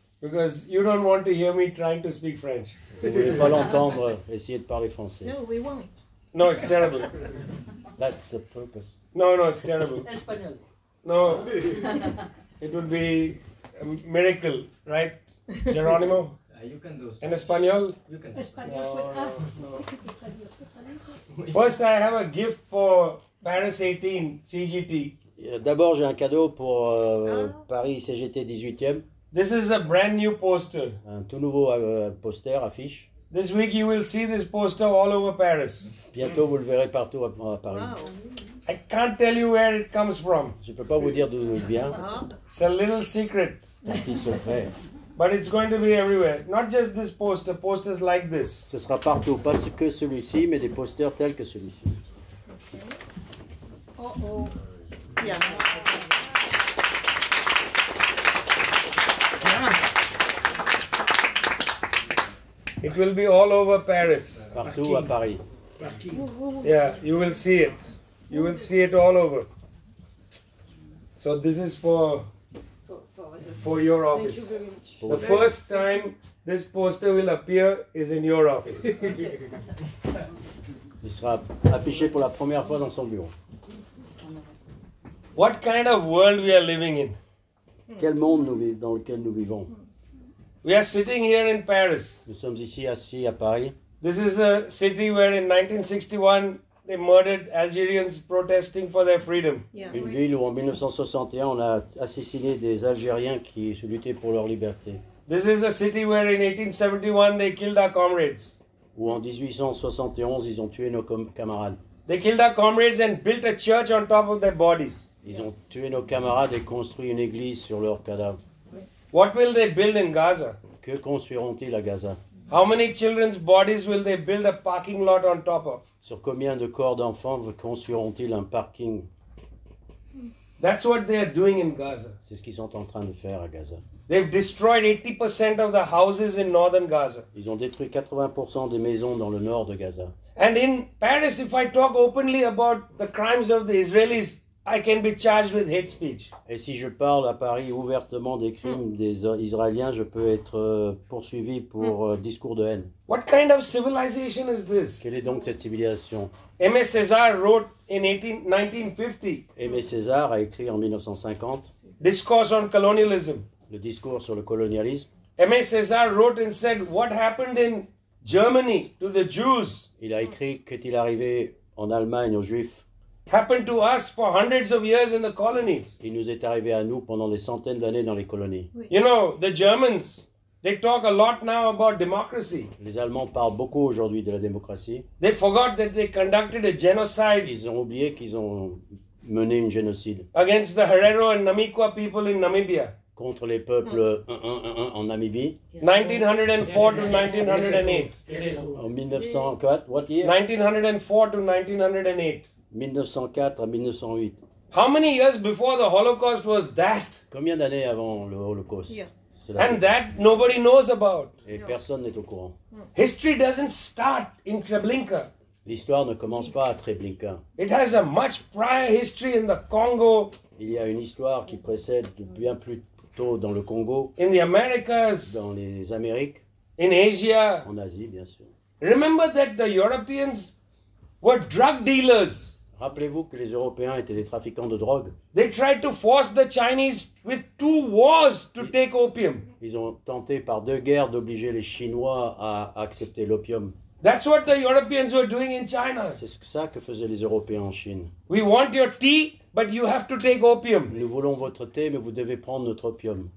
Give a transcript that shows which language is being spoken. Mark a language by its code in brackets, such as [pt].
[en] Because you don't want to hear me trying to speak French. [fr] Vous ne voulez pas l'entendre essayer de parler français. [en] No, we won't. No, it's terrible. That's the purpose. No, no, it's terrible. [es] Espanol. [en] No, it would be a miracle, right, Geronimo? You can do [es] Spanish. En Espanol? [en] You can do Spanish. No. First, I have a gift for Paris 18, CGT. [fr] D'abord, j'ai un cadeau pour Paris CGT 18e. [en] This is a brand new poster. [fr] Un tout nouveau poster, affiche. [en] This week you will see this poster all over Paris. [fr] Bientôt vous le verrez partout à Paris. Wow. [en] I can't tell you where it comes from. [fr] Je peux pas vous dire d'où il vient. [en] It's a little secret. [fr] Un petit secret. [en] But it's going to be everywhere. Not just this poster, posters like this. [fr] Ce sera partout, pas que celui-ci, mais des posters tels que celui-ci. [en] Okay. Oh. It will be all over Paris. [fr] Partout à Paris. [en] Yeah, you will see it. You will see it all over. So this is for your office. Thank you very much. The first time this poster will appear is in your office. [fr] Il sera affiché pour la première fois dans son bureau. [en] What kind of world we are living in? [fr] Quel monde dans lequel nous vivons? [en] We are sitting here in Paris. [fr] Nous sommes ici assis à Paris. [en] This is a city where in 1961 they murdered Algerians protesting for their freedom. Yeah. [fr] Une ville où en 1961 on a assassiné des Algériens qui se luttaient pour leur liberté. [en] This is a city where in 1871 they killed our comrades. [fr] Où en 1871 ils ont tué nos camarades. [en] They killed our comrades and built a church on top of their bodies. [fr] Ils ont tué nos camarades et construit une église sur leurs cadavres. [en] What will they build in Gaza? [fr] Que construiront-ils à Gaza? [en] How many children's bodies will they build a parking lot on top of? [fr] Sur combien de corps d'enfants construiront-ils un parking? [en] That's what they are doing in Gaza. [fr] C'est ce qu'ils sont en train de faire à Gaza. [en] They've destroyed 80% of the houses in northern Gaza. [fr] Ils ont détruit 80% des maisons dans le nord de Gaza. [en] And in Paris, if I talk openly about the crimes of the Israelis, I can be charged with hate speech. [fr] Et si je parle à Paris ouvertement des crimes des Israéliens, je peux être poursuivi pour discours de haine. [en] What kind of civilization is this? [fr] Quelle est donc cette civilisation? [en] Aimé César wrote in 1950. [fr] Aimé César a écrit en 1950. [en] Discourse on colonialism. [fr] Le discours sur le colonialisme. [en] Aimé César wrote and said what happened in Germany to the Jews. [fr] Il a écrit qu'est-il arrivé en Allemagne aux Juifs. [en] Happened to us for hundreds of years in the colonies. [fr] Il nous est arrivé à nous pendant des centaines d'années dans les colonies. Oui. [en] You know, the Germans, they talk a lot now about democracy. [fr] Les Allemands parlent beaucoup aujourd'hui de la démocratie. [en] They forgot that they conducted a genocide. [fr] Ils ont oublié qu'ils ont mené une génocide. [en] Against the Herero and Namiqua people in Namibia. [fr] Contre les peuples en Namibie. [en] 1904 to 1908. En 1904, what year? 1904 to 1908. [fr] 1904 à 1908. [en] How many years before the Holocaust was that? [fr] Combien d'années avant le Holocauste? [en] Yeah. And that nobody knows about. [fr] Et personne n'est au courant. [en] History doesn't start in Treblinka. [fr] L'histoire ne commence pas à Treblinka. [en] It has a much prior history in the Congo. [fr] Il y a une histoire qui précède bien plus tôt dans le Congo. [en] In the Americas. [fr] Dans les Amériques. [en] In Asia. [fr] En Asie, bien sûr. [en] Remember that the Europeans were drug dealers. [fr] Rappelez-vous que les Européens étaient des trafiquants de drogue. [en] They tried to force the Chinese with two wars to take opium. [fr] Ils ont tenté par deux guerres d'obliger les Chinois à accepter l'opium. [en] That's what the Europeans were doing in China. [fr] C'est ça que faisaient les Européens en Chine. [en] We want your tea, but you have to take opium. [fr] Nous voulons votre thé, mais vous devez prendre notre opium.